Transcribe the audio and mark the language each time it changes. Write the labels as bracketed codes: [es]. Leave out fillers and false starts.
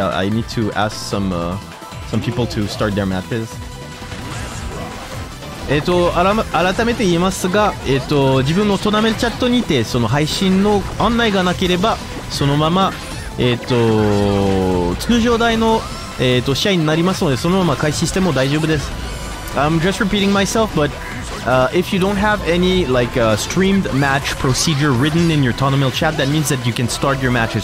[en] I need to ask some people to start their matches. [ja] 改めて言いますが、自分のトーナメントチャットにてその配信の案内がなければそのまま通常台の試合になりますのでそのまま開始しても大丈夫です。 [en] I'm just repeating myself, but if you don't have any like streamed match procedure written in your Tonamil chat, that means that you can start your matches.